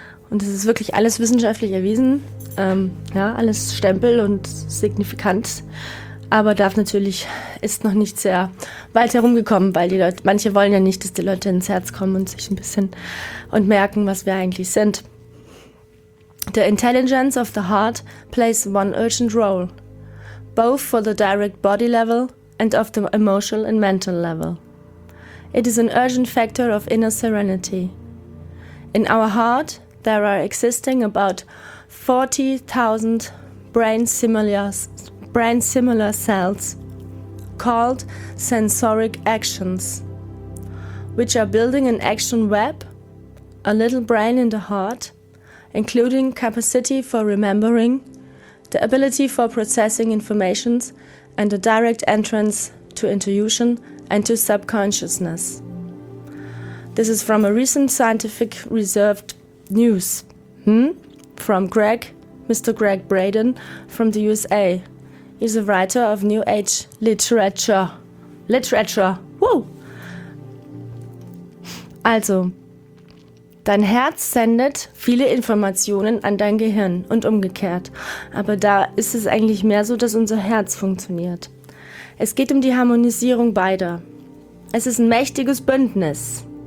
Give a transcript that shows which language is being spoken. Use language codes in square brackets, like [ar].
[de] Und das ist wirklich alles wissenschaftlich erwiesen. Alles Stempel und signifikant. Aber darf natürlich, ist noch nicht sehr weit herumgekommen, weil die Leute, manche wollen ja nicht, dass die Leute ins Herz kommen und sich ein bisschen und merken, was wir eigentlich sind. [en] The intelligence of the heart plays one urgent role, both for the direct body level and of the emotional and mental level. It is an urgent factor of inner serenity. In our heart there are existing about 40,000 brain similar cells called sensoric actions, which are building an action web, a little brain in the heart, including capacity for remembering, the ability for processing informations, and a direct entrance to intuition and to subconsciousness. This is from a recent scientific reserved news from Mr. Greg Braden from the USA. He's a writer of New Age Literature. Woo! [de] Also, dein Herz sendet viele Informationen an dein Gehirn und umgekehrt. Aber da ist es eigentlich mehr so, dass unser Herz funktioniert. Es geht um die Harmonisierung beider. Es ist ein mächtiges Bündnis.